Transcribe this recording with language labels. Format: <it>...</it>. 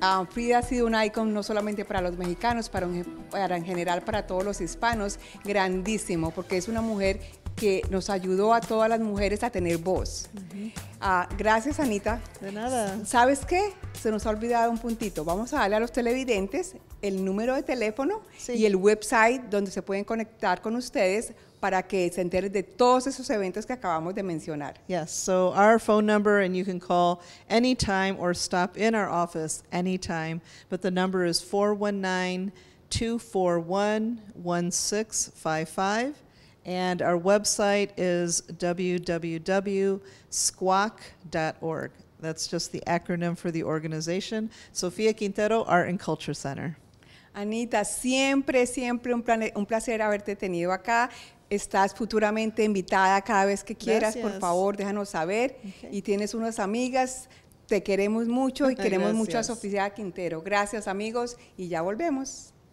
<es>Frida ha sido un icon no solamente para los mexicanos, para en general para todos los hispanos, grandísimo, porque es una mujer que nos ayudó a todas las mujeres a tener voz. Uh-huh. Gracias, Anita. De nada. ¿Sabes qué? Se nos ha olvidado un puntito. Vamos a darle a los televidentes el número de teléfono, sí, y el website donde se pueden conectar con ustedes para que se enteren de todos esos eventos que acabamos de mencionar.</es> <en>Yes, so our phone number, and you can call anytime or stop in our office anytime, but the number is 419-241-1655, and our website is www.squawk.org, That's just the acronym for the organization. Sofía Quintero, Art and Culture Center.</en> <es>Anita, siempre, siempre un placer haberte tenido acá. Estás futuramente invitada cada vez que quieras. Gracias. Por favor, déjanos saber. Okay. Y tienes unas amigas. Te queremos mucho y queremos mucho a Sofía Quintero. Gracias, amigos, y ya volvemos.</es>